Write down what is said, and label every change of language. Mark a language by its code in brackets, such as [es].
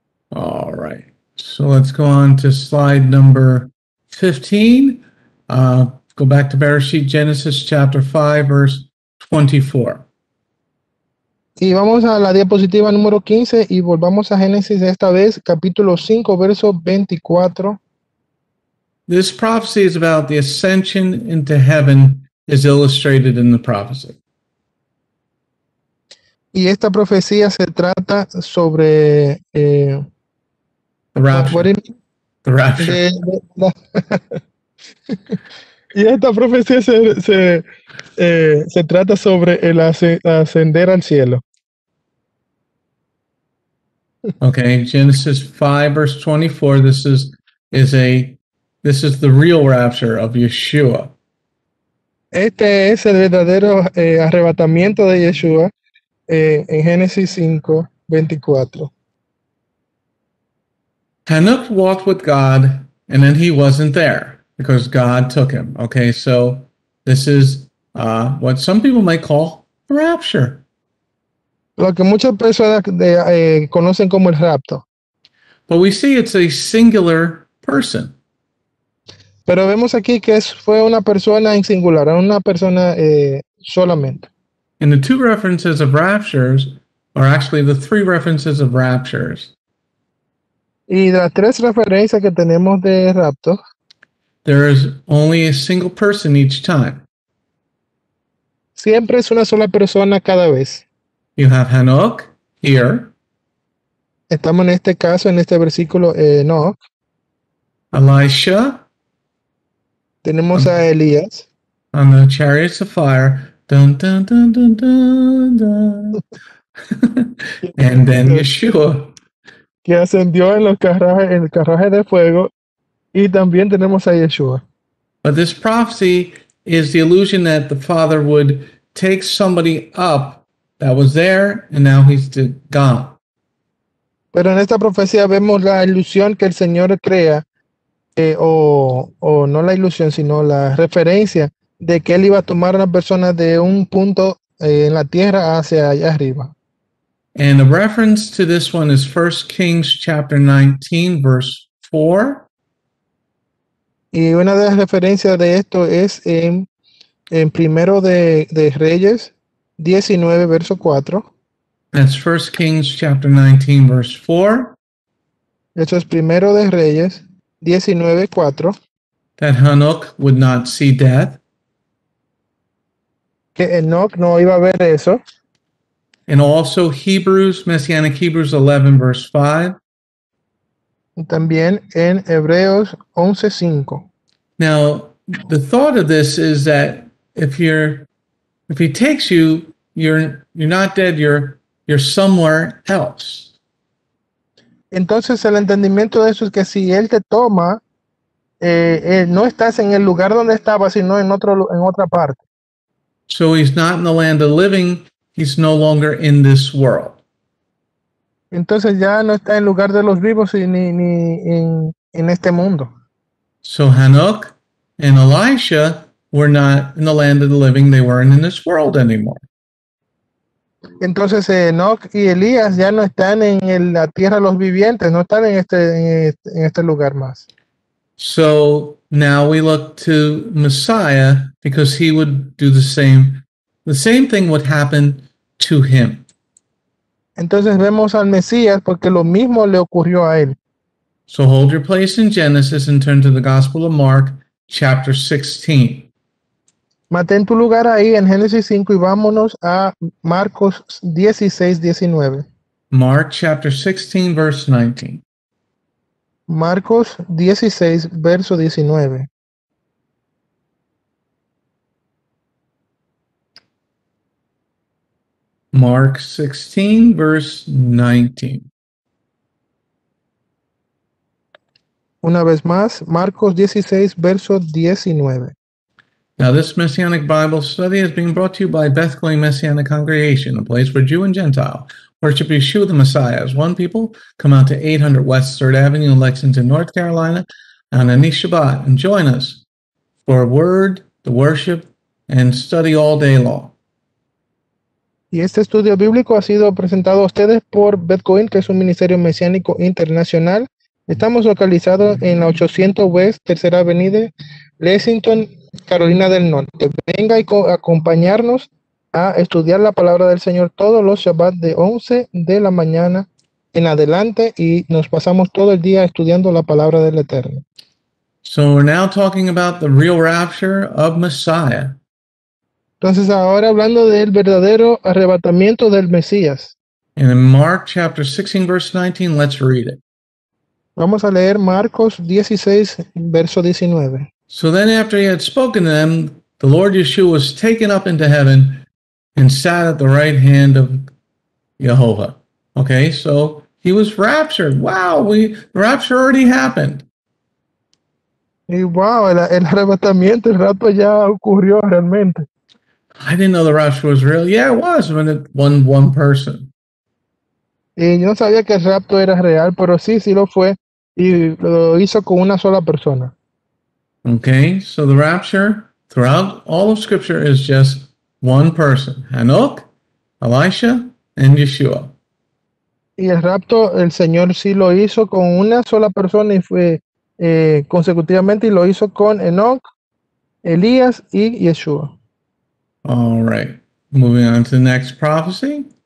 [en] All right. So let's go on to slide number 15. Go back to Bereshit, Genesis chapter 5, verse 24. [es] Y vamos a la diapositiva número 15 y volvamos a Génesis esta vez, capítulo 5, verso 24. [en] This prophecy is about the ascension into heaven, is illustrated in the prophecy. [es] Y esta profecía se trata sobre [en] the rapture. The rapture. [es] Y esta profecía se trata sobre el ascender al cielo. [en] Okay, Genesis 5, verse 24. This is the real rapture of Yeshua. [es] Este es el verdadero arrebatamiento de Yeshua en Génesis 5, 24. [en] Hanuk walked with God, and then he wasn't there, because God took him. Okay, so this is what some people might call a rapture. [es] Lo que muchas personas conocen como el rapto. [en] But we see it's a singular person. [es] Pero vemos aquí que fue una persona en singular, una persona solamente. [en] And the two references of raptures are actually the three references of raptures. [es] Y de las tres referencias que tenemos de rapto, [en] there is only a single person each time. [es] Siempre es una sola persona cada vez. [en] You have Hanok here. [es] Estamos en este caso, en este versículo, Enoch. [en] Elisha. [es] Tenemos a Elías. [en] On the chariots of fire. Dun, dun, dun, dun, dun, dun. And then Yeshua. [es] Que ascendió en los carruajes, en el carruaje de fuego. Y también tenemos a Yeshua. [en] But this prophecy is the illusion that the Father would take somebody up that was there and now he's gone. [es] Pero en esta profecía vemos la ilusión que el Señor crea, o no la ilusión, sino la referencia de que él iba a tomar a una persona de un punto en la tierra hacia allá arriba. [en] And the reference to this one is 1 Kings chapter 19, verse 4. [es] Y una de las referencias de esto es en primero de Reyes 19, verso 4. [en] That's 1 Kings chapter 19, verse 4. [es] Eso es primero de Reyes 19, 4. [en] That Hanok would not see death. [es] Que Enoch no iba a ver eso. [en] And also Hebrews, Messianic Hebrews 11, verse 5. [es] También en Hebreos 11, 5. [en] Now, the thought of this is that if he takes you, you're not dead, you're somewhere else. [es] Entonces, el entendimiento de eso es que si él te toma, no estás en el lugar donde estabas, sino en otra parte. [en] So he's not in the land of living, he's no longer in this world. [es] Entonces ya no está en lugar de los vivos y ni en este mundo. [en] So Hanok and Elisha were not in the land of the living, they weren't in this world anymore. [es] Entonces Enoch y Elías ya no están en la tierra de los vivientes, no están en este lugar más. [en] So now we look to Messiah because he would do the same thing would happen to him. [es] Entonces vemos al Mesías porque lo mismo le ocurrió a él. [en] So hold your place in Genesis and turn to the Gospel of Mark, chapter 16. [es] Mantén tu lugar ahí en Génesis 5 y vámonos a Marcos 16, 19. [en] Mark chapter 16, verse 19. [es] Marcos 16, verso 19. [en] Mark 16, verse 19. [es] Una vez más, Marcos 16, verso 19. [en] Now, this Messianic Bible study is being brought to you by Beth Glen Messianic Congregation, a place where Jew and Gentile worship Yeshua the Messiah as one people. Come out to 800 West 3rd Avenue in Lexington, North Carolina, on any Shabbat, and join us for a word, the worship, and study all day long. [es] Y este estudio bíblico ha sido presentado a ustedes por Beth Glen, que es un ministerio mesiánico internacional. Estamos localizados en la 800 West 3rd Avenida, Lexington, Carolina del Norte. Venga y acompañarnos a estudiar la palabra del Señor todos los Shabbat de 11 de la mañana en adelante y nos pasamos todo el día estudiando la palabra del Eterno. [en] So we're now talking about the real rapture of Messiah. [es] Entonces ahora hablando del verdadero arrebatamiento del Mesías. [en] In Mark chapter 16 verse 19, let's read it. [es] Vamos a leer Marcos 16 verso 19. [en] So then after he had spoken to them, the Lord Yeshua was taken up into heaven and sat at the right hand of Jehovah. Okay, so he was raptured. Wow, the rapture already happened. [es] Y wow, el arrebatamiento, el rapto ya ocurrió realmente. [en] I didn't know the rapture was real. Yeah, it was when it one person. [es] Y yo no sabía que el rapto era real, pero sí, sí lo fue y lo hizo con una sola persona. [en] Okay, so the rapture throughout all of Scripture is just one person, Hanok, Elisha, and Yeshua. [es] Y el rapto, el Señor sí lo hizo con una sola persona y fue consecutivamente y lo hizo con Enoch, Elías y Yeshua. [en] All right, moving on to the next prophecy.